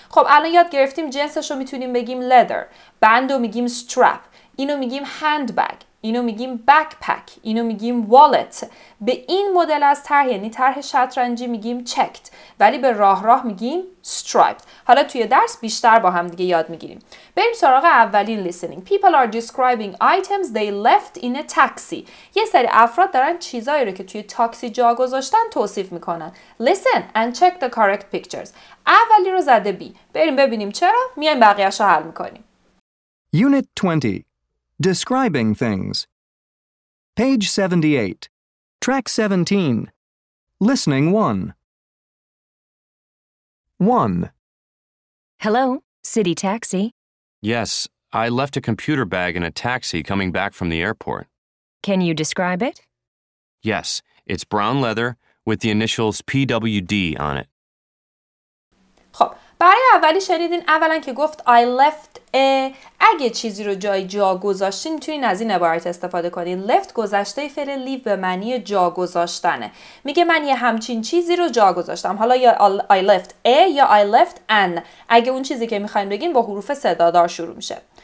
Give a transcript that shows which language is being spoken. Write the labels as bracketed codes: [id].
[fa] خب الان یاد گرفتیم جنسش رو میتونیم بگیم leather، بند رو میگیم strap، اینو میگیم handbag، اینو میگیم backpack، اینو میگیم wallet. به این مدل از طرح، یعنی طرح شطرنجی، میگیم checked، ولی به راه راه میگیم striped. حالا توی درس بیشتر با هم دیگه یاد میگیریم. بریم سراغ اولین listening. [en] People are describing items they left in a taxi. [fa] یه سری افراد دارن چیزایی رو که توی تاکسی جا گذاشتن توصیف میکنن. [en] Listen and check the correct pictures. [fa] اولی رو زده B. بریم ببینیم چرا. میایم بقیه‌اشو حل میکنیم. [en] Unit 20. Describing things. Page 78. Track 17. Listening 1. 1. Hello, City Taxi. Yes, I left a computer bag in a taxi coming back from the airport. Can you describe it? Yes, it's brown leather with the initials PWD on it. [fa] خب برای اولی شنیدین، اولا که گفت [en] I left a. [fa] اگه چیزی رو جای جا گذاشتین میتونین از این عبارت استفاده کنین. left گذشته فعل leave به معنی جا گذاشتنه. میگه من یه همچین چیزی رو جا گذاشتم. حالا یا [en] I left a [fa] یا [en] I left an، [fa] اگه اون چیزی که میخواییم بگین با حروف صدادار شروع میشه.